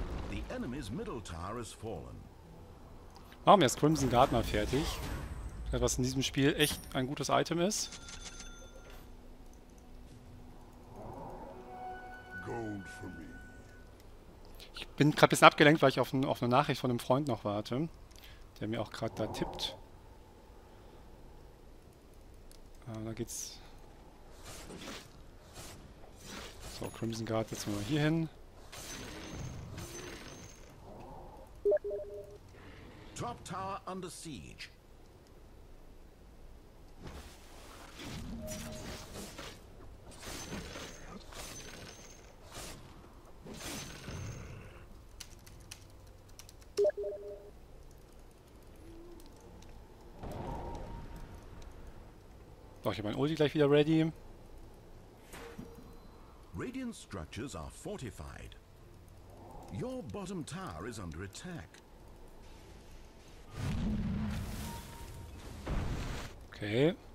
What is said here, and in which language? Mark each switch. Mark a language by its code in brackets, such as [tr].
[en] The enemy's middle tower has fallen. [de] Machen wir das Crimson Guard mal fertig. Was in diesem Spiel echt ein gutes Item ist. Ich bin gerade ein bisschen abgelenkt, weil ich auf eine Nachricht von einem Freund noch warte. Der mir auch gerade da tippt. Da geht's. So, Crimson Guard, jetzt mal hier hin. [en] Top Tower under siege. [de] So, ich habe mein Ulti gleich wieder ready. [en] Radiant structures are fortified. Your bottom tower is under attack. Okay.